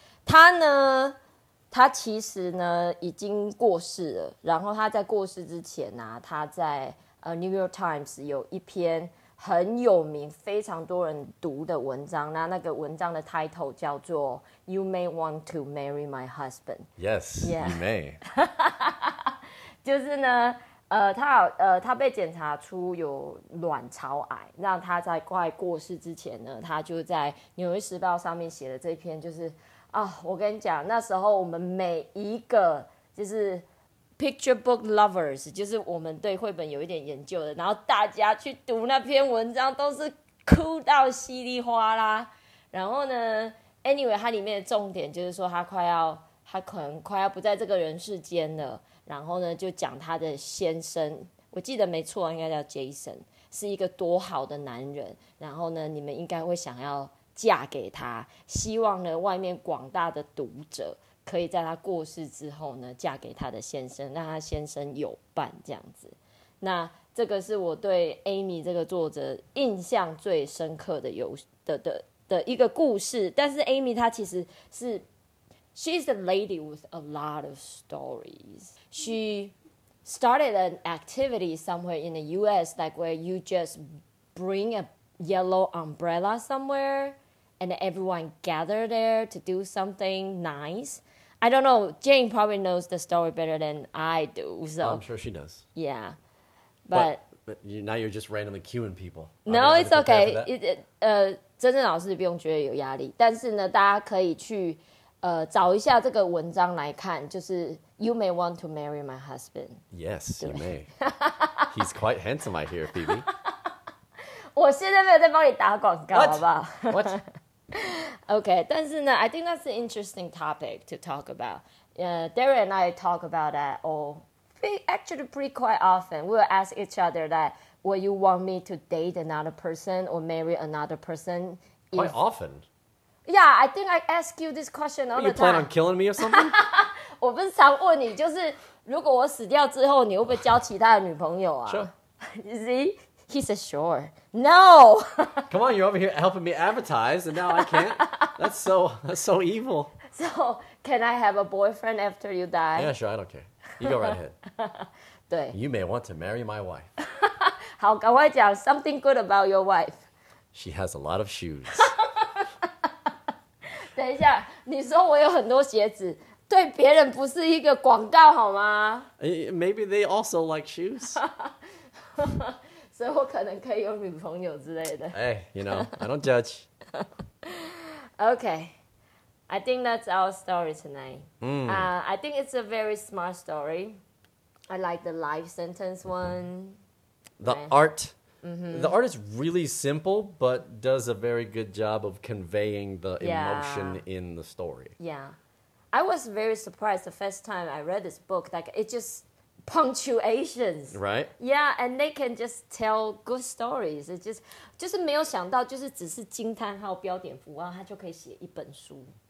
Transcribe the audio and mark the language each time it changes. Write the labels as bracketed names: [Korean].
[Chinese] 他呢他其实呢已经过世了，然后他在过世之前啊，他在New York Times 有一篇很有名、非常多人读的文章。那那个文章的 title 叫做 [English] "You may want to marry my husband." Yes,、 yeah. you may. [Chinese] 就是呢，他被检查出有卵巢癌，那他在快过世之前呢，他就在《纽约时报》上面写的这篇就是。啊、oh, ，我跟你讲，那时候我们每一个就是 [English] picture book lovers， [Chinese] 就是我们对绘本有一点研究的，然后大家去读那篇文章，都是哭到稀里哗啦。然后呢 ，anyway， 它里面的重点就是说，他可能快要不在这个人世间了。然后呢，就讲他的先生，我记得没错，应该叫 Jason， 是一个多好的男人。然后呢，你们应该会想要。嫁给他，希望呢外面广大的读者可以在他过世之后呢嫁给他的先生，让他先生有伴这样子。那这个是我对 Amy 这个作者印象最深刻 的一个故事。但是 Amy 她其实是 [English] She's a lady with a lot of stories. She started an activity somewhere in the US, like where you just bring a yellow umbrella somewhere and everyone gather there to do something nice. I don't know, Jane probably knows the story better than I do. So I'm sure she does. Yeah. But Now you're just randomly cueing people. No, it's okay. [Chinese] 真正老师不用觉得有压力，但是呢，大家可以去找一下这个文章来看，就是 [English] You may want to marry my husband. Yes, you may. He's quite handsome, I hear, Phoebe. [Chinese] 我现在没有在帮你打广告， [English] What? [Chinese] 好不好？ [English] What? Okay, [Chinese] 但是呢 [English] I think that's an interesting topic to talk about. Darren and I talk about that actually pretty quite often. We'll ask each other that, will you want me to date another person or marry another person? Quite often. Yeah, I think I ask you this question all the time. You plan on killing me or something? [Chinese] 我不是常问你，就是如果我死掉之后，你会不会交其他的女朋友啊？ [English] Sure. You see? He said, sure. No! Come on, you're over here helping me advertise, and now I can't? That's so evil. So, can I have a boyfriend after you die? Yeah, sure, I don't care. You go right ahead. [Chinese] 对。 [English] You may want to marry my wife. [Chinese] 好，赶快讲 [English] something good about your wife. She has a lot of shoes. [Chinese] 等一下，你说我有很多鞋子，对别人不是一个广告好吗？ [English] Maybe they also like shoes. [Chinese] 所以我可能可以有女朋友之类的。 [English] Hey, you know, I don't judge. Okay, I think that's our story tonight. I think it's a very smart story. I like the life sentence one. The art. The art is really simple, but does a very good job of conveying the emotion in the story. Yeah. I was very surprised the first time I read this book. Like, it just... punctuations. Right? Yeah, and they can just tell good stories. It's just [Chinese] 没有想到就是只是惊叹号标点符号它就可以写一本书。